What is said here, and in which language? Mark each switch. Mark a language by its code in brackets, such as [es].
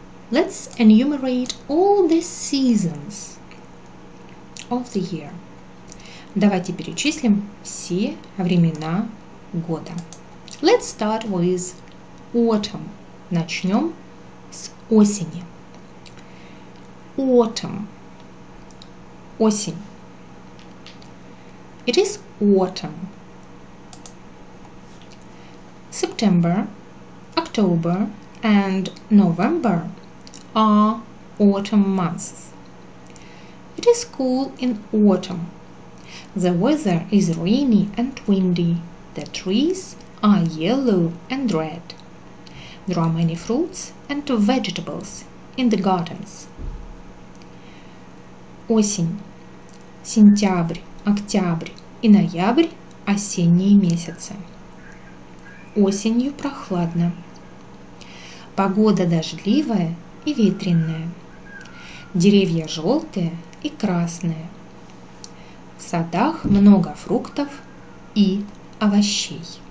[en] Let's enumerate all the seasons of the year. [ru] Давайте перечислим все времена года. [en] Let's start with autumn. [ru] Начнем с осени. [en] Autumn. [ru] Осень. [en] It is autumn. September. October and November are autumn months. It is cool in autumn. The weather is rainy and windy. The trees are yellow and red. There are many fruits and vegetables in the gardens. [ru] Осень. Сентябрь, октябрь и ноябрь – осенние месяцы. Осенью прохладно. Погода дождливая и ветреная. Деревья желтые и красные. В садах много фруктов и овощей.